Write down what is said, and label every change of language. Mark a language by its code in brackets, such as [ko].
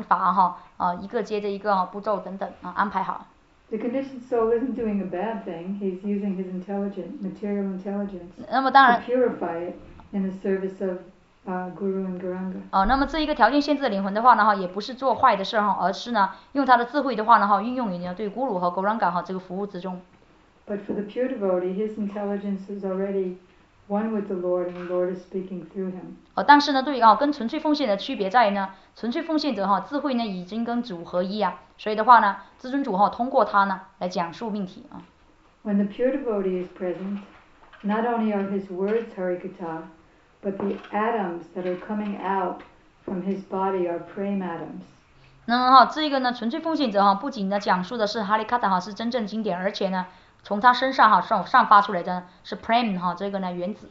[zh] 所以呢，当一个受条件限制灵魂的讲话的时候呢，他是出于他的深思熟虑，他的想法，一个接着一个步骤等等，安排好。 [en] The conditioned soul isn't doing a bad thing. He's using his intelligence, material intelligence, [zh] 那么当然, [en] to purify it in the service of Guru and Garanga. [zh] 那么这一个条件限制的灵魂的话呢，也不是做坏的事，而是呢，用他的智慧的话呢，运用于对Guru和Garanga这个服务之中。 [en] But for the pure devotee, his intelligence is already one with the Lord, and the Lord is speaking through him. [zh] 但是呢，对跟纯粹奉献的区别在于呢，纯粹奉献者智慧呢已经跟主合一，所以的话呢，至尊主通过他呢来讲述命题。 [en] When the pure devotee is present, not only are his words Harikatha, but the atoms that are coming out from his body are prema atoms. [zh] 那么这个呢，纯粹奉献者不仅呢讲述的是 Harikatha 是真正经典，而且呢。从他身上上发出来的是 prema 这个呢原子。